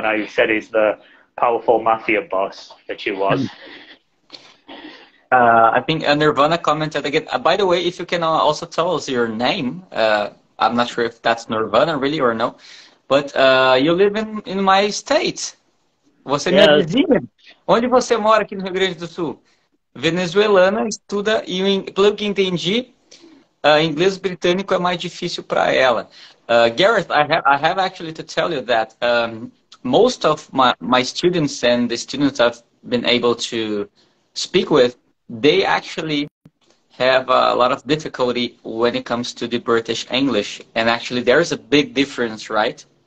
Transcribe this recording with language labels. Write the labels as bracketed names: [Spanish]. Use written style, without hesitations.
[English] Now you said he's the powerful mafia boss that he was. I think Nirvana commented again. By the way, if you can also tell us your name, I'm not sure if that's Nirvana really or no, but you live in my state. [Portuguese] Você é vizinho. Onde você mora aqui no Rio Grande do Sul? Venezuelana, estuda, e pelo que entendi, inglês britânico é mais difícil para ela. [English] Gareth, I have actually to tell you that most of my students and the students I've been able to speak with, they actually have a lot of difficulty when it comes to the British English. And actually, there is a big difference, right?